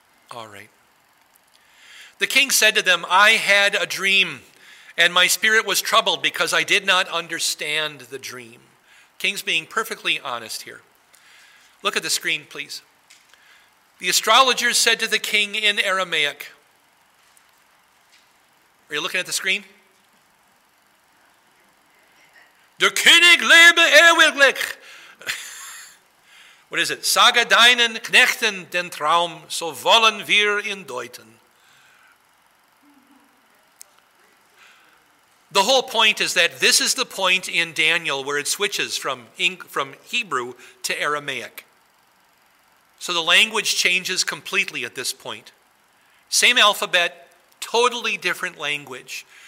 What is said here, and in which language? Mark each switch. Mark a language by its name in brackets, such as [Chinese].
[English] All right. The king said to them, "I had a dream, and my spirit was troubled because I did not understand the dream." King's being perfectly honest here. Look at the screen, please. The astrologers said to the king in Aramaic. Are you looking at the screen? [German] Der König lebe ewiglich. [English] What is it? [German] Sage deinen Knechten den Traum, so wollen wir ihn deuten. [English] The whole point is that this is the point in Daniel where it switches from Hebrew to Aramaic. So the language changes completely at this point. Same alphabet, totally different language.